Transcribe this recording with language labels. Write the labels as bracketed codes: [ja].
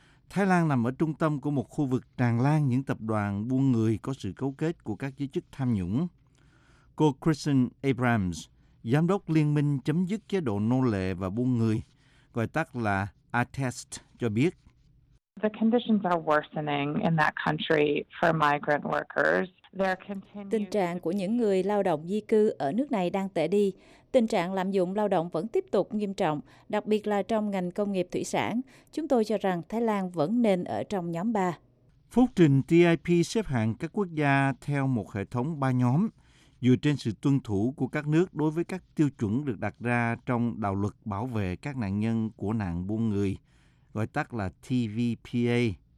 [vi] Thái Lan nằm ở trung tâm của một khu vực tràn lan những tập đoàn buôn người có sự cấu kết của các giới chức tham nhũng. Cô Kristen Abrams, giám đốc Liên minh chấm dứt chế độ nô lệ và buôn người, gọi tắt là ATEST, cho biết. [en] The conditions are worsening in that country for migrant workers. [vi] Tình trạng của những người lao động di cư ở nước này đang tệ đi. Tình trạng lạm dụng lao động vẫn tiếp tục nghiêm trọng, đặc biệt là trong ngành công nghiệp thủy sản. Chúng tôi cho rằng Thái Lan vẫn nên ở trong nhóm 3. Phúc trình TIP xếp hạng các quốc gia theo một hệ thống 3 nhóm, dựa trên sự tuân thủ của các nước đối với các tiêu chuẩn được đặt ra trong đạo luật bảo vệ các nạn nhân của nạn buôn người, gọi tắt là TVPA.